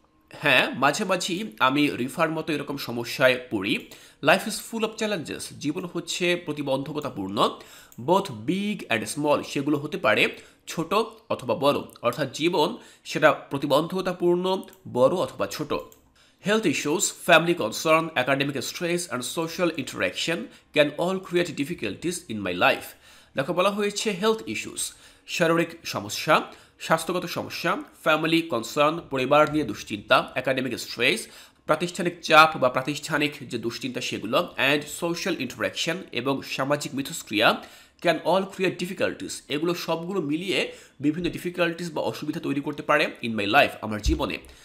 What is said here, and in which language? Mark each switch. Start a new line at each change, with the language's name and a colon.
Bangla: হ্যাঁ, মাঝে মাঝেই আমি রিফার মতো এরকম সমস্যায় পড়ি।
English: life is full of challenges,
Bangla: জীবন হচ্ছে প্রতিবন্ধকতাপূর্ণ,
English: both big and small,
Bangla: সেগুলো হতে পারে ছোট অথবা বড়, অর্থাৎ জীবন সেটা প্রতিবন্ধকতাপূর্ণ, বড় অথবা ছোট।
English: Health issues, family concern, academic stress, and social interaction can all create difficulties in my life.
Bangla: দেখো বলা হয়েছে হেলথ ইস্যুস, শারীরিক সমস্যা, স্বাস্থ্যগত সমস্যা, ফ্যামিলি কনসার্ন, পরিবার নিয়ে দুশ্চিন্তা, একাডেমিক স্ট্রেস, প্রাতিষ্ঠানিক চাপ বা প্রাতিষ্ঠানিক যে দুশ্চিন্তা সেগুলো,
English: and social interaction
Bangla: এবং সামাজিক মিথস্ক্রিয়া
English: can all create difficulties,
Bangla: এগুলো সবগুলো মিলিয়ে বিভিন্ন ডিফিকাল্টিস বা অসুবিধা তৈরি করতে পারে
English: in my life,
Bangla: আমার জীবনে।